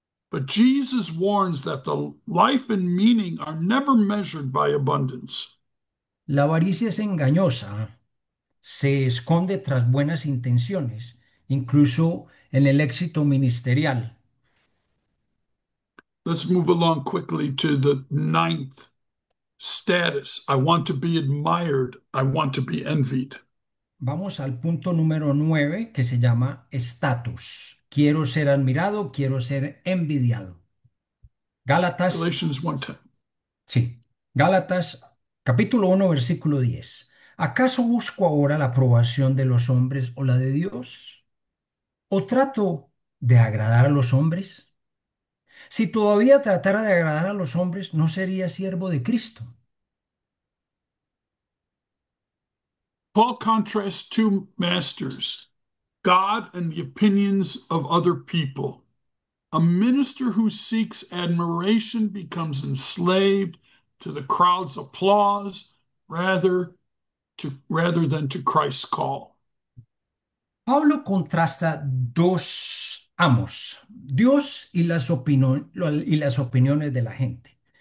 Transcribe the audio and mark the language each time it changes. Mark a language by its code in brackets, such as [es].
[en] But Jesus warns that the life and meaning are never measured by abundance. [es] La avaricia es engañosa, se esconde tras buenas intenciones, incluso en el éxito ministerial. [en] Let's move along quickly to the ninth status. I want to be admired. I want to be envied. [es] Vamos al punto número 9, que se llama estatus. Quiero ser admirado, quiero ser envidiado. Gálatas, [en] Galatians 1:10. [es] sí, Gálatas. Capítulo 1, versículo 10. ¿Acaso busco ahora la aprobación de los hombres o la de Dios? ¿O trato de agradar a los hombres? Si todavía tratara de agradar a los hombres, no sería siervo de Cristo. [en] Paul contrasts two masters, God and the opinions of other people. A minister who seeks admiration becomes enslaved to the crowd's applause rather than to Christ's call. [es] Pablo contrasta dos amos, Dios y las opiniones de la gente.